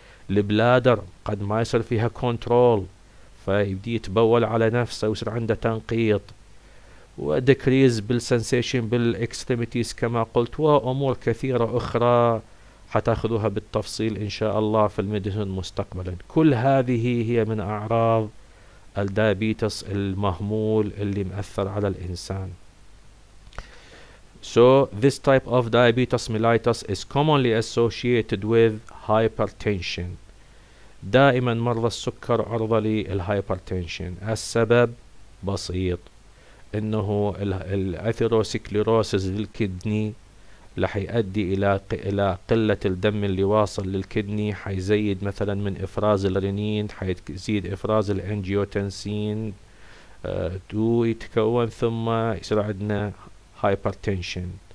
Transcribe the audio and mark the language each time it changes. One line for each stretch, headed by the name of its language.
Arabic: البلادر قد ما يصير فيها كنترول فيبدي يتبول على نفسه ويصير عنده تنقيط،
English: ودكريز بالسنسيشن بالإكستريميتيز
Arabic: كما قلت، وأمور كثيرة أخرى حتاخذوها بالتفصيل إن شاء الله في الميديسن مستقبلا. كل هذه هي من أعراض الدايابيتس المهمول اللي مأثر على الإنسان.
English: So this type of diabetes mellitus is commonly associated with hypertension.
Arabic: دائما مرضى السكر عرضة للهايبرتنشن. السبب بسيط، انه الاثيروسكليروسيس للكدني لح يؤدي الى قلة الدم اللي واصل للكدني، حيزيد مثلا من افراز الرنين، حيزيد افراز الانجيوتنسين 2 يتكون، ثم يصير عندنا هايبرتنشن.